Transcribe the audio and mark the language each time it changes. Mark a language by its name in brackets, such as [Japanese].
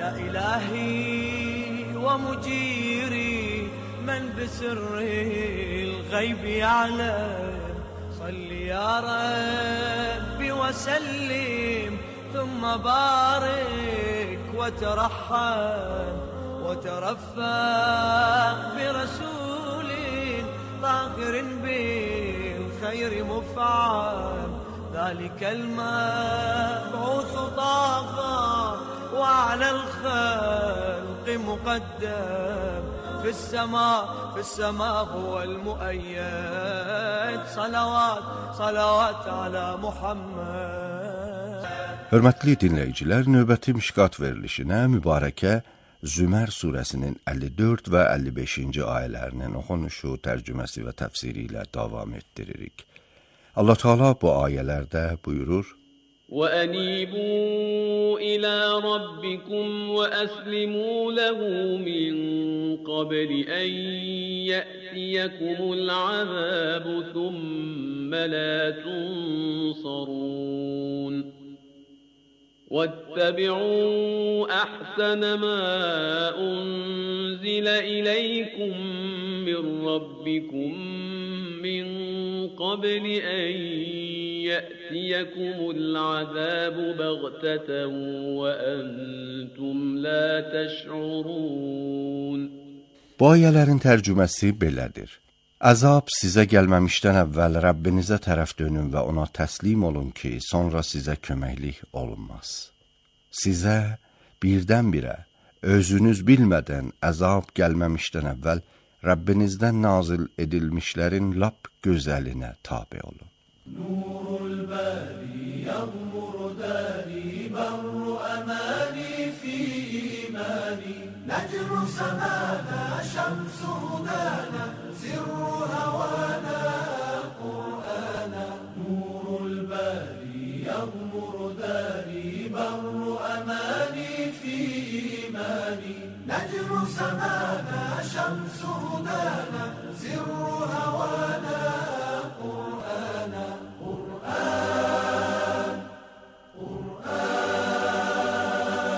[Arabic] Ya ilahi wa mujiri من بسر الغيب يعلم صل يا ربي وسلم ثم بارك وترحم وترفق برسول طاهر بالخير مفعم ذلك المبعوث طاف وعلى الخلق مقدم في السماء في السماء هو المؤيد صلوات صلوات على محمد. [Azerbaijani] Hörmətli dinləyicilər, növbəti müşkat verilişinə mübarəkə Zümər surəsinin 54 və 55-ci ayələrinin oxunuşu, tərcüməsi və təfsiri ilə davam etdiririk. Allah Teala bu ayələrdə buyurur: [Arabic] وَأَنِيبُوا إِلَى رَبِّكُمْ وَأَسْلِمُوا لَهُ مِنْ قَبْلِ أَنْ يَأْتِيَكُمُ الْعَذَابُ ثُمَّ لَا تُنْصَرُونَ وَاتَّبِعُوا أَحْسَنَ مَا أُنْزِلَ إِلَيْكُمْ مِنْ رَبِّكُمْ من قبل أن يأتيكم العذاب بغتة وأنتم لا تشعرون. [Azerbaijani] Bu ayələrin tərcüməsi belədir. Əzab sizə gəlməmişdən əvvəl Rəbbinizə tərəf dönün və ona təslim olun ki, sonra sizə köməklik olunmaz. Sizə birdən-birə özünüz bilmədən əzab gəlməmişdən əvvəl Rəbbinizdən nazil edilmişlərin lap gözəlinə tabi olun. [Arabic] Nurul bəli yəqmur dəli bərru əməni fi imani نجر سمانا شمس هدانا سر هوانا قرآنا نور البالي يغمر داري بر أماني في إيماني نجر سمانا شمس هدانا سر هوانا قرآنا قرآن قرآن